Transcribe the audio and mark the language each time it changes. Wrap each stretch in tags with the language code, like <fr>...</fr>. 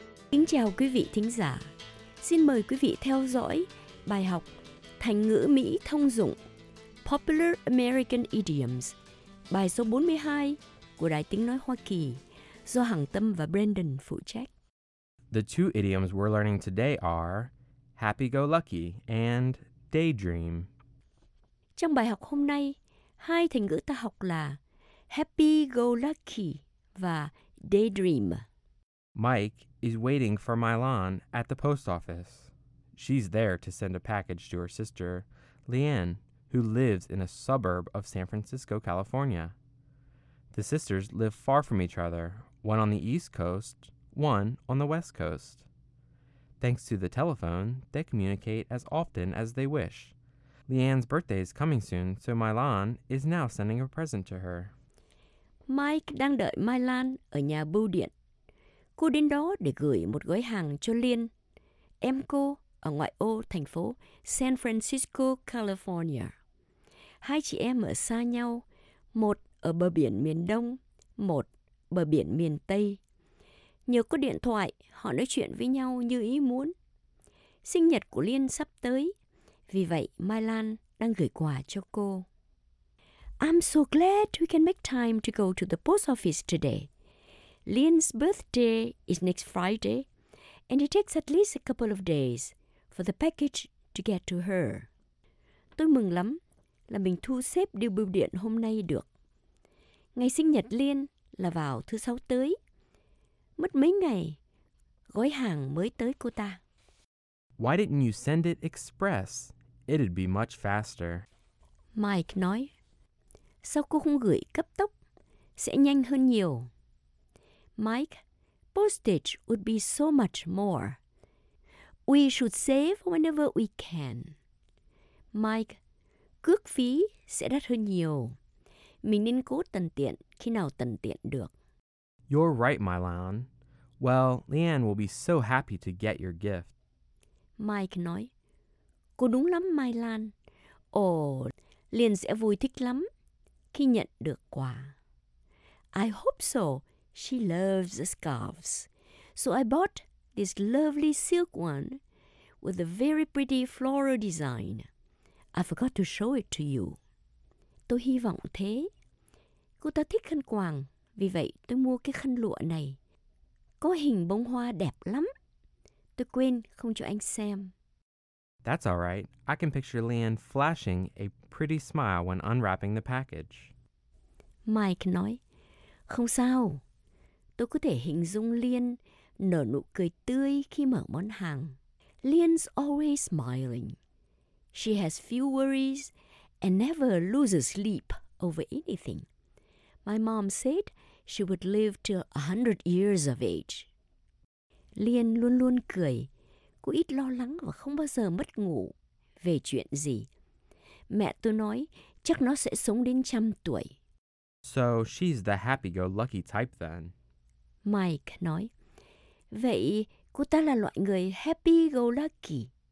<vi>Kính chào quý vị thính giả. Xin mời quý vị theo dõi bài học Thành ngữ Mỹ thông dụng</vi> <en>Popular American Idioms,</en> <vi>bài số 42 của Đài Tiếng Nói Hoa Kỳ, do Hằng Tâm và Brandon phụ trách.</vi> <en>The two idioms we're learning today are happy-go-lucky and daydream.</en> <vi>Trong bài học hôm nay, hai thành ngữ ta học là happy-go-lucky và</vi> <en>daydream. Mike is waiting for Mylan at the post office. She's there to send a package to her sister, Leanne, who lives in a suburb of San Francisco, California. The sisters live far from each other, one on the East Coast, one on the West Coast. Thanks to the telephone, they communicate as often as they wish. Leanne's birthday is coming soon, so Mylan is now sending a present to her.</en> <vi>Mike đang đợi Mylan ở nhà bưu điện. Cô đến đó để gửi một gói hàng cho Liên, em cô ở ngoại ô thành phố San Francisco, California. Hai chị em ở xa nhau, một ở bờ biển miền Đông, một bờ biển miền Tây. Nhờ có điện thoại, họ nói chuyện với nhau như ý muốn. Sinh nhật của Liên sắp tới, vì vậy Mylan đang gửi quà cho cô.</vi> <en>I'm so glad we can make time to go to the post office today. Lian's birthday is next Friday, and it takes at least a couple of days for the package to get to her.</en> <vi>Tôi mừng lắm là mình thu xếp điều bưu điện hôm nay được. Ngày sinh nhật Lian là vào thứ sáu tới. Mất mấy ngày, gói hàng mới tới cô ta.</vi> <en>Why didn't you send it express? It'd be much faster.</en> <vi>Mike nói, sao cô không gửi cấp tốc? Sẽ nhanh hơn nhiều.</vi> <en>Mike, postage would be so much more. We should save whenever we can.</en> <vi>Mike, cước phí sẽ đắt hơn nhiều. Mình nên cố tận tiện khi nào tận tiện được.</vi> <en>You're right, Mylan. Well, Leanne will be so happy to get your gift.</en> <vi>Mike nói, cô đúng lắm, Mylan. Ồ, Liên sẽ vui thích lắm khi nhận được quà.</vi> <en>I hope so. She loves the scarves. So I bought this lovely silk one with a very pretty floral design. I forgot to show it to you.</en> <vi>Tôi hy vọng thế. Cô ta thích khăn quàng, vì vậy tôi mua cái khăn lụa này. Có hình bông hoa đẹp lắm. Tôi quên không cho anh xem.</vi> <en>That's all right. I can picture Leanne flashing a pretty smile when unwrapping the package.</en> <vi>Mike nói, không sao. Tôi có thể hình dung Liên nở nụ cười tươi khi mở món hàng.</vi> <en>Liên's always smiling. She has few worries and never loses sleep over anything. My mom said she would live till 100 years of age.</en> <vi>Liên luôn luôn cười. Cô ít lo lắng và không bao giờ mất ngủ về chuyện gì. Mẹ tôi nói chắc nó sẽ sống đến 100 tuổi.</vi> <en>So she's the happy-go-lucky type then.</en> <vi>Mike nói, vậy cô ta là loại người happy go lucky.</vi>